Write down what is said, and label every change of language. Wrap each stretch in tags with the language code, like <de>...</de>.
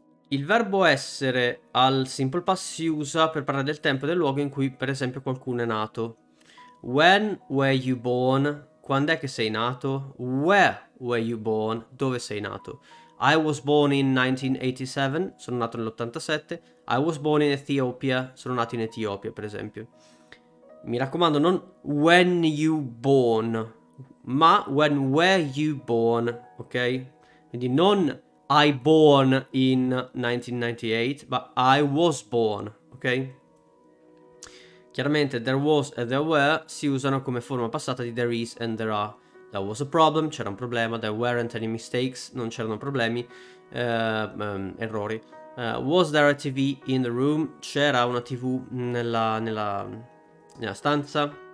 <it>Il verbo essere al simple past si usa per parlare del tempo e del luogo in cui, per esempio, qualcuno è nato.</it> <en>When were you born?</en> <it>Quando è che sei nato?</it> <en>Where were you born?</en> <it>Dove sei nato?</it> <en>I was born in 1987.</en> <it>Sono nato nell'87.</it> <en>I was born in Ethiopia.</en> <it>Sono nato in Etiopia, per esempio. Mi raccomando, non</it> <en>when you born,</en> <it>ma</it> <en>when were you born,</en> <it>ok? Quindi non</it> <en>I born in 1998,</en> <it>ma</it> <en>I was born,</en> <it>ok? Chiaramente</it> <en>there was</en> <it>e</it> <en>there were</en> <it>si usano come forma passata di</it> <en>there is and there are. There was a problem,</en> <it>c'era un problema,</it> <en>there weren't any mistakes,</en> <it>non c'erano problemi, errori.</it> <en>Was there a TV in the room?</en> <it>C'era una TV nella stanza.</it>